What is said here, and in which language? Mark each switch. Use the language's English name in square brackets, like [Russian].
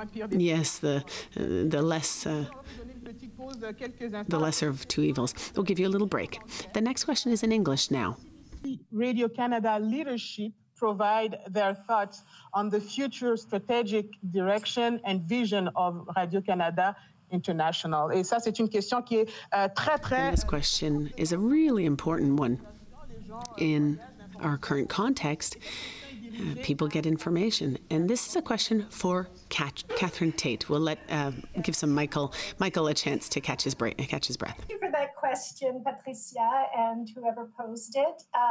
[English] Yes, the lesser of two evils. We'll give you a little break. The next question is in English now. Radio Canada leadership provide their thoughts on the future strategic direction and vision of Radio Canada International. [French] Et ça, c'est une question qui est très très. [English] And this question is a really important one. In our current context, people get information, and this is a question for Catherine Tate. We'll let give some Michael a chance to catch his breath. Thank you for that question, Patricia, and whoever posed it.